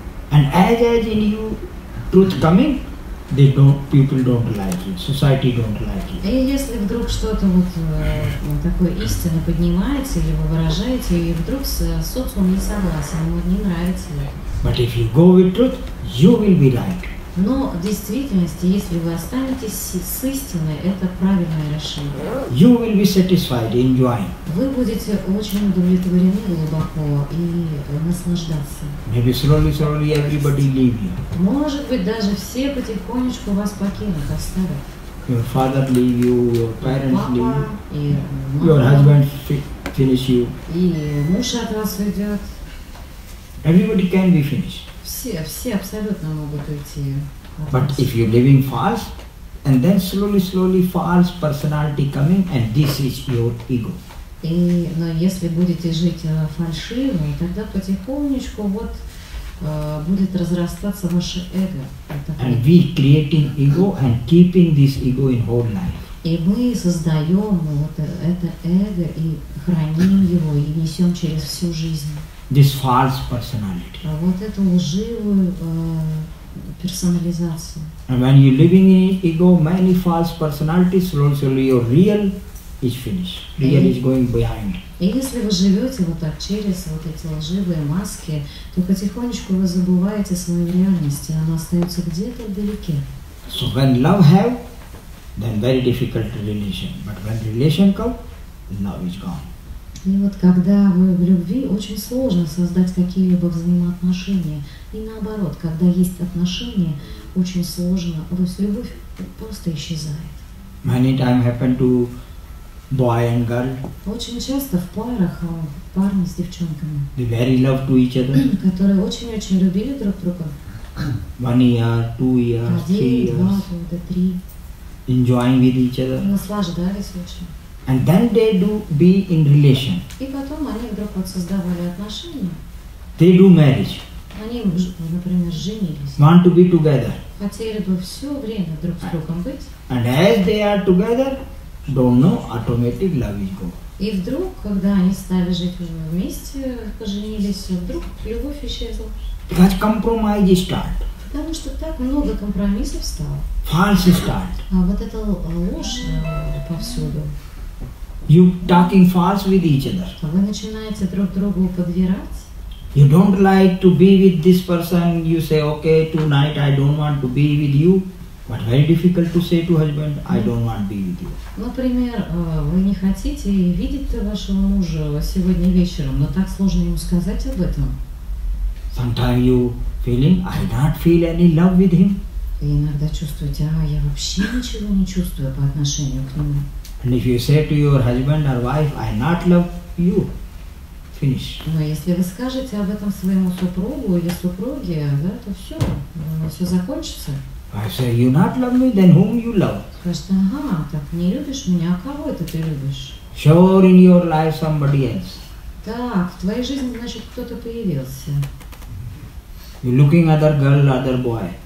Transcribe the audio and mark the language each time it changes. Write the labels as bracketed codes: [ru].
[en] And as in you truth coming, they don't people don't like it, society don't like it. [ru] И если вдруг что-то вот такое истина поднимается или вы выражаете, и вдруг социум не согласен, ему не нравится. [en] But if you go with truth, you will be right. [ru] Но в действительности, если вы останетесь с истиной, это правильное решение. [en] You will be satisfied, enjoying. [ru] Вы будете очень удовлетворены глубоко и наслаждаться. [en] Maybe slowly, slowly everybody leave you. [ru] Может быть, даже все потихонечку вас покинут, оставят. [en] Your father leave you, your parents [ru] Papa [en] leave you. [ru] И мама. [en] Your husband finish you. [ru] И муж от вас уйдет. [en] Everybody can be finished. [ru] Все абсолютно могут уйти. [en] But if you're living fast, and then slowly, slowly false personality coming, and this is your ego. [ru] Но если будете жить фальшиво, тогда потихонечку вот будет разрастаться ваше эго. [en] And we creating ego and keeping this ego in whole life. [ru] И мы создаем вот это эго и храним его и несем через всю жизнь. [en] This false personality. [ru] А вот эту лживую персонализацию. [en] And when you living in ego, many false personalities, slowly, slowly your real is finished. Real is going behind. [ru] И если вы живете вот так через вот эти лживые маски, то потихонечку вы забываете свою реальность, и она остается где-то вдалеке. [en] So when love have, then very difficult relation. But when relation come, love is gone. [ru] И вот когда вы в любви, очень сложно создать какие-либо взаимоотношения. И наоборот, когда есть отношения, очень сложно, то есть любовь просто исчезает. [en] Many time happen to boy and girl. [ru] Очень часто в парах парни с девчонками. [en] They very love to each other. [ru] Которые очень-очень любили друг друга. [en] 1 year, 2 years, 3 years. [ru] Один, два, три. [en] Enjoying with each other. [ru] Наслаждались очень. [en] And then they do be in relation. [ru] И потом они вдруг вот создавали отношения. [en] They do marriage. [ru] Они, например, женились. [en] Want to be together. [ru] Хотели бы все время друг с другом быть. [en] And as they are together, don't know, automatic love is gone. [ru] И вдруг, когда они стали жить уже вместе, поженились, вдруг любовь исчезла. [en] Because compromise start. [ru] Потому что так много компромиссов стало. [en] False start. [ru] А вот это ложь повсюду. [en] You talking false with each other. [ru] Вы начинаете друг другу подбирать. [en] You don't like to be with this person. You say, okay, tonight I don't want to be with you. But very difficult to say to husband, I don't want to be with you. [ru] Например, вы не хотите видеть вашего мужа сегодня вечером, но так сложно ему сказать об этом. [en] Sometimes you feeling, I don't feel any love with him. [ru] И иногда чувствуете, я вообще ничего не чувствую по отношению к нему. [en] And if you say to your husband or wife, I not love you, finish. [ru] Но если вы скажете об этом своему супругу или супруге, да, то все, все закончится. [en] I say, you not love me, then whom you love? [ru] Скажете, так не любишь меня, а кого это ты любишь? [en] Sure, in your life somebody else. [ru] Так, в твоей жизни, значит, кто-то появился. [en] You're looking other girl, other boy.